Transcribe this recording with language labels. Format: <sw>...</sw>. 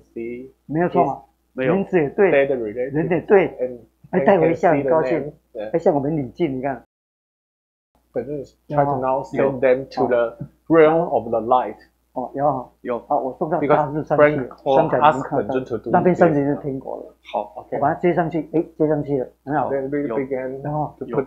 <zh>see。没有错嘛，名字也对，人也对，还带微笑，很高兴，还向我们领进，你看。反正try</zh> <en>to now send them to the realm of the light。</en> <zh>哦，有，好，我送到大日山去，山脚已经看到，那边山脚已经是天国了。好，OK，我把它接上去，哎，接上去了，很好。然后，</zh>